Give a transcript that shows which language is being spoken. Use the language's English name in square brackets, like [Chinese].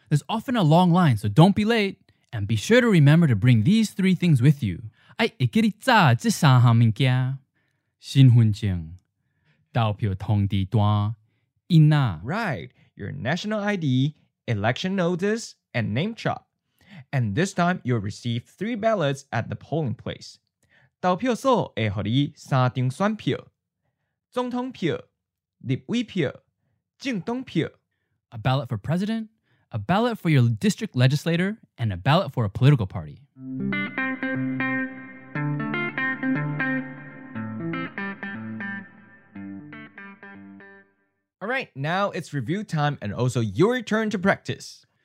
[English] There's often a long line, so don't be late. And be sure to remember to bring these three things with you. [Chinese] 哎，记得带这三项物件： 身份证， 投票通知单， 印啊。 [English] Right, your national ID, election notice, and name chart. And this time, you'll receive three ballots at the polling place. [Chinese] 投票所会给你三张选票， 总统票， 立委票， 政党票。 [English] A ballot for president, a ballot for your district legislator, and a ballot for a political party. All right, now it's review time and also your turn to practice.